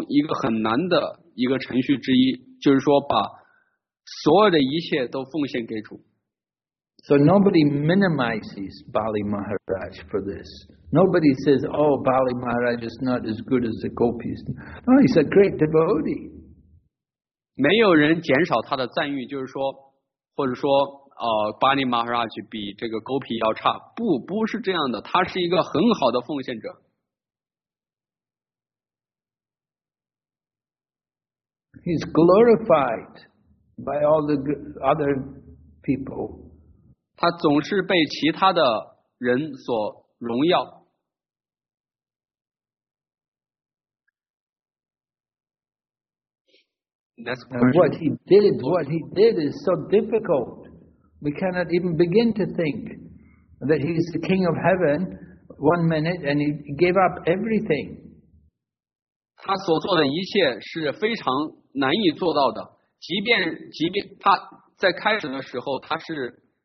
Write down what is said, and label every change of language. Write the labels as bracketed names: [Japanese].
[Chinese] 而且这是奉献服务之中一个很难的一个程序之一, 就是说把所有的一切都奉献给主。 [English] So nobody minimizes Bali Maharaj for this. Nobody says, oh, Bali Maharaj is not as good as the gopis. No, he's a great devotee. [Chinese] 没有人减少他的赞誉, 就是说, 或者说, Bali Maharaj 比这个gopi要差, 不, 不是这样的, 他是一个很好的奉献者。 [English] He's glorified by all the other people. [Chinese] 他总是被其他的人所荣耀。 [English] What he did is so difficult. We cannot even begin to think that he's the king of heaven one minute and he gave up everything. [Chinese] 他所做的一切是非常难以做到的，即便他在开始的时候他是。